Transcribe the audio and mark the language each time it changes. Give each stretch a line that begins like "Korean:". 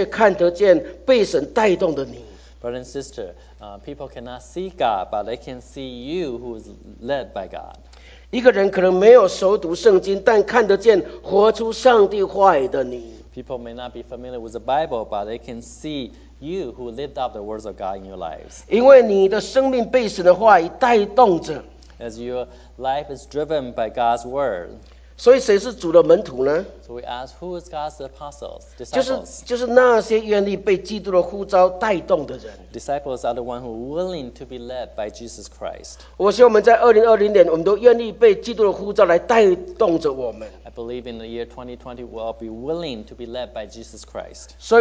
Chinese: 弟兄姐妹，人看不见神，但却看得见被神带动的你。
English: Brother and sister, people cannot see God, but they can see you who is led by God.
Chinese: 一个人可能没有熟读圣经，但看得见活出上帝话语的你。
English: People may not be familiar with the Bible, but they can see you who lived out the words of God in your lives.
Chinese: 因为你的生命被神的话语带动着。
English: As your life is driven by God's word.
Chinese: 所以谁是主的门徒呢？
English: So we ask, who is God's apostles, disciples?
Chinese: 就是那些愿意被基督的呼召带动的人。
English: Disciples are the ones who are willing to be led by Jesus Christ.
Chinese: 我希望我们在2020年，我们都愿意被基督的呼召来带动着我们。
English: I believe in the year 2020, we'll all be willing to be led by Jesus Christ.